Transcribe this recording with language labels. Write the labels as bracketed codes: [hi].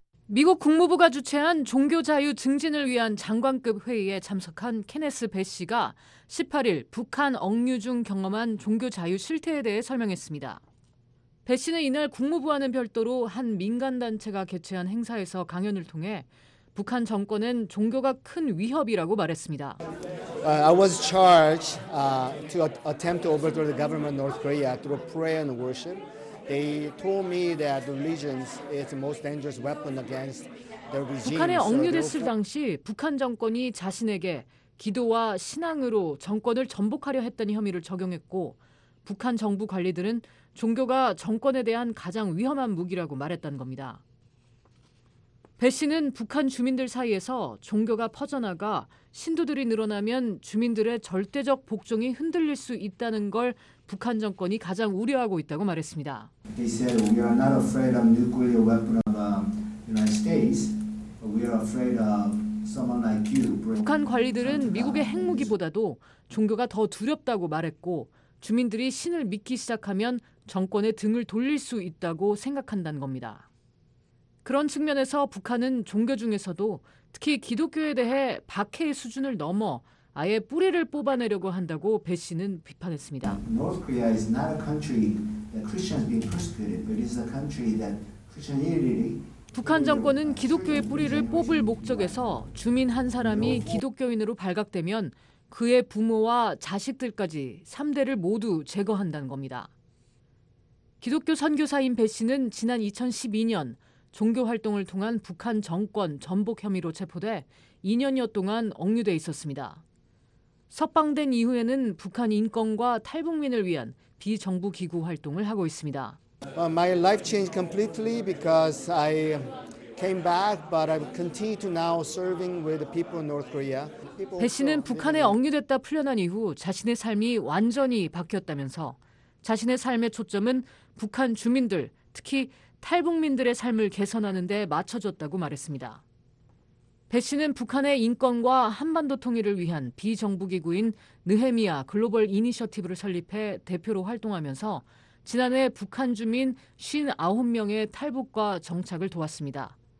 [ko] 미국 국무부가 주최한 종교 자유 증진을 위한 장관급 회의에 참석한 케네스 배 씨가 18일 북한 억류 중 경험한 종교 자유 실태에 대해 설명했습니다. 배 씨는 이날 국무부와는 별도로 한 민간단체가 개최한 행사에서 강연을 통해 북한 정권은 종교가 큰 위협이라고 말했습니다. [en] I was charged to attempt to overthrow the government of North Korea through prayer and worship. They told me that religion is the most dangerous weapon against their regime. [ko] 북한에 억류됐을 당시 북한 정권이 자신에게 기도와 신앙으로 정권을 전복하려 했다는 혐의를 적용했고 북한 정부 관리들은 종교가 정권에 대한 가장 위험한 무기라고 말했다는 겁니다. 배 씨는 북한 주민들 사이에서 종교가 퍼져나가 신도들이 늘어나면 주민들의 절대적 복종이 흔들릴 수 있다는 걸 북한 정권이 가장 우려하고 있다고 말했습니다. [en] They said we are not afraid of nuclear weapon of the United States. We are afraid of someone like you. [ko] 북한 관리들은 미국의 핵무기보다도 종교가 더 두렵다고 말했고 주민들이 신을 믿기 시작하면 정권의 등을 돌릴 수 있다고 생각한다는 겁니다. 그런 측면에서 북한은 종교 중에서도 특히 기독교에 대해 박해의 수준을 넘어 아예 뿌리를 뽑아내려고 한다고 배 씨는 비판했습니다. [en] North Korea is not a country that Christians being persecuted, but it is a country that Christianity. [ko] 북한 정권은 기독교의 뿌리를 뽑을 목적에서 주민 한 사람이 기독교인으로 발각되면 그의 부모와 자식들까지 3대를 모두 제거한다는 겁니다. 기독교 선교사인 배 씨는 지난 2012년 종교 활동을 통한 북한 정권 전복 혐의로 체포돼 2년여 동안 억류돼 있었습니다. 석방된 이후에는 북한 인권과 탈북민을 위한 비정부 기구 활동을 하고 있습니다. [en] My life changed completely because I came back, but I continue to now serving with the people in North Korea. [ko] 배 씨는 북한에 억류됐다 풀려난 이후 자신의 삶이 완전히 바뀌었다면서 자신의 삶의 초점은 북한 주민들, 특히 탈북민들의 삶을 개선하는 데 맞춰졌다고 말했습니다. 배 씨는 북한의 인권과 한반도 통일을 위한 비정부기구인 느헤미아 글로벌 이니셔티브를 설립해 대표로 활동하면서 지난해 북한 주민 59명의 탈북과 정착을 도왔습니다.